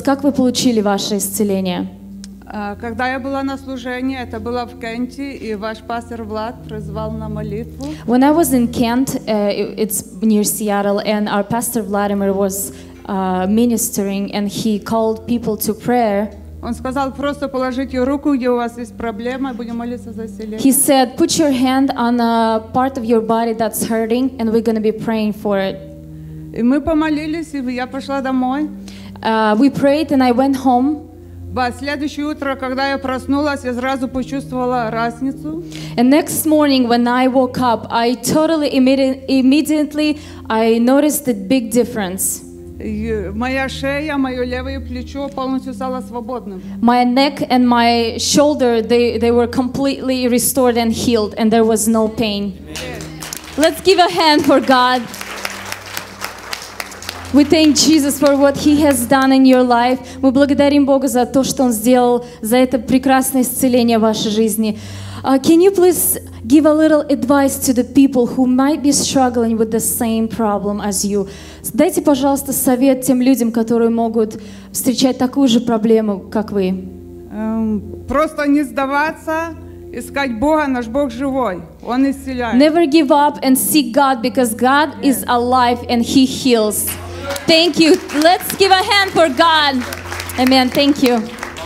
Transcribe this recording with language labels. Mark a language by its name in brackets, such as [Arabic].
[Russian] Как вы получили ваше исцеление? Когда я была на служении, это было в Кенте, и ваш пастор Влад призвал на молитву. [English] When I was in Kent, it's near Seattle, and our pastor Vladimir was ministering, and he called people to prayer. [Russian] Он сказал, просто положите руку, где у вас есть проблема, и будем молиться за исцеление. [English] He said, put your hand on a part of your body that's hurting, and we're going to be praying for it. [Russian] И мы помолились, и я пошла домой. [English] We prayed, and I went home. [Russian] Во следующее утро, когда я проснулась, я сразу почувствовала разницу. [English] And next morning, when I woke up, I totally immediately I noticed the big difference. [Russian] Моя шея, мое левое плечо полностью стало свободным. [English] My neck and my shoulder, they were completely restored and healed, and there was no pain. Let's give a hand for God. We thank Jesus for what He has done in your life. [Russian] Мы благодарим Бога за то, что Он сделал, за это прекрасное исцеление в вашей жизни. [English] Can you please give a little advice to the people who might be struggling with the same problem as you? [Russian] Дайте, пожалуйста, совет тем людям, которые могут встречать такую же проблему, как вы. Просто не сдаваться. Искать Бога, наш Бог живой. Он исцеляет. [English] Never give up and seek God, because God is alive and He heals. Thank you. Let's give a hand for God. Amen. Thank you.